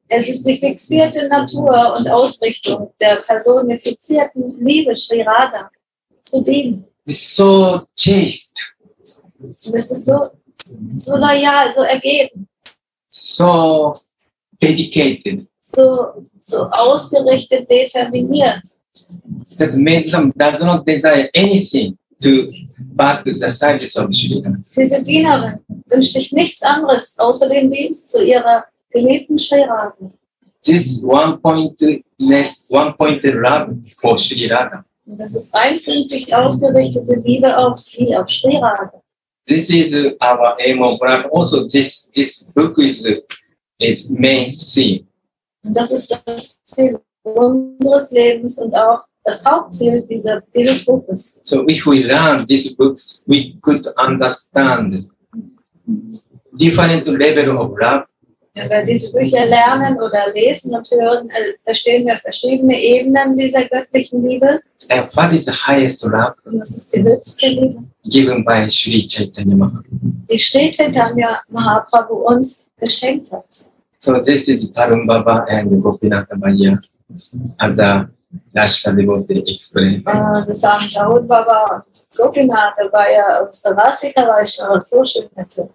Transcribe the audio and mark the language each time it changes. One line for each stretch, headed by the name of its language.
German: Es ist die fixierte Natur und Ausrichtung der personifizierten Liebe Sri Radha zu dienen.
English: It's so chaste.
German: Und es ist so loyal, so ergeben.
English: So dedicated.
German: So ausgerichtet, determiniert.
English: That Mesam does not desire anything. But the service of Sri Radha.
German: Diese Dienerin wünscht sich nichts anderes außer den Dienst zu ihrer geliebten Sri Radha.
English: This one point love for Sri Radha.
German: Das ist einfühlig ausgerichtete Liebe auf sie, auf Sri Radha.
English: This is our aim of life. Also this book is its main theme.
German: Und das ist das Ziel unseres Lebens und auch das Hauptziel dieses Buches.
English: So if we learn these books, we could understand different level of love.
German: Ja, wenn wir diese Bücher lernen oder lesen und hören, verstehen wir verschiedene Ebenen dieser göttlichen Liebe.
English: And what is the highest love?
German: Und was ist die höchste Liebe?
English: Given by Sri Chaitanya Mahaprabhu.
German: Die Sri Chaitanya Mahaprabhu uns geschenkt hat.
English: So this is Tarun Baba and Gopinatha Maya as a Rashka Devotee explained.
German: Wir sagen, Tarun Baba und Gopinatha Maya, unsere Rasika Vaishnava, so schön hätte.